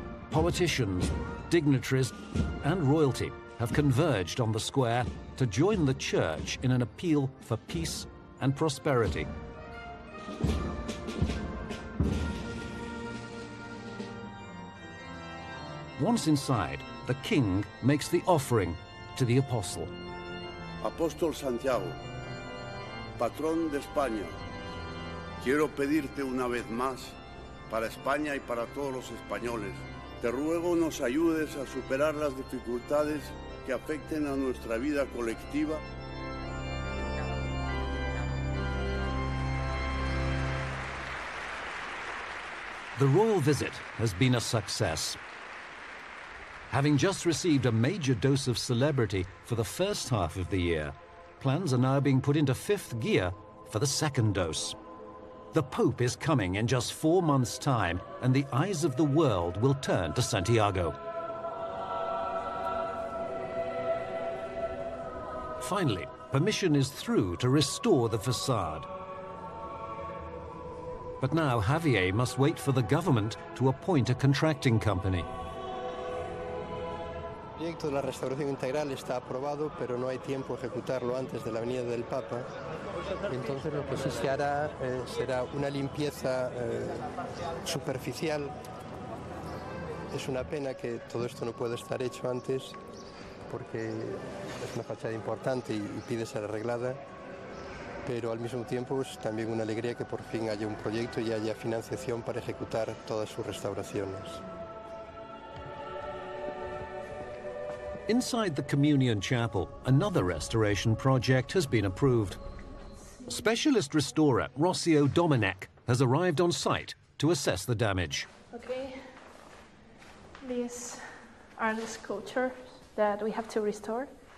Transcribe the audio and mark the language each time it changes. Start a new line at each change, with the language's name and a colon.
English: Politicians, dignitaries, and royalty have converged on the square to join the church in an appeal for peace and prosperity. Once inside, the king makes the offering to the apostle.
Spanish: Apóstol Santiago, patrón de España, quiero pedirte una vez más, para España y para todos los españoles, te ruego nos ayudes a superar las dificultades que afecten a nuestra vida colectiva.
English: The royal visit has been a success. Having just received a major dose of celebrity for the first half of the year, plans are now being put into fifth gear for the second dose. The Pope is coming in just 4 months' time, and the eyes of the world will turn to Santiago. Finally, permission is through to restore the facade. But now Javier must wait for the government to appoint a contracting company.
Spanish: El proyecto de la restauración integral está aprobado, pero no hay tiempo de ejecutarlo antes de la venida del Papa. Entonces lo que sí se hará será una limpieza superficial. Es una pena que todo esto no pueda estar hecho antes, porque es una fachada importante y pide ser arreglada, pero al mismo tiempo es también una alegría que por fin haya un proyecto y haya financiación para ejecutar todas sus restauraciones.
English: Inside the Communion Chapel, another restoration project has been approved. Specialist restorer Rocio Domenech has arrived on site to assess the damage. Okay. These are the sculptures that we have to restore.